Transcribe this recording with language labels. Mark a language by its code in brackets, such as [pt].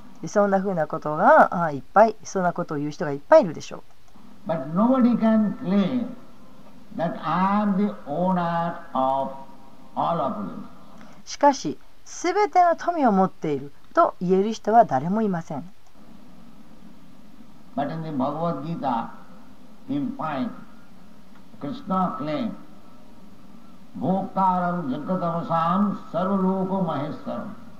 [ja] そんなふうなことがいっぱい、そんなことを言う人がいっぱいいるでしょう。 [en] But nobody can claim that I am the owner of all of them. [ja] しかし、すべての富を持っていると言える人は誰もいません。 [en] But in the Bhagavad Gita,Krishna claimed, [sa] Bhoktaram Jagratavasam Sarvaloka Maheshwaram.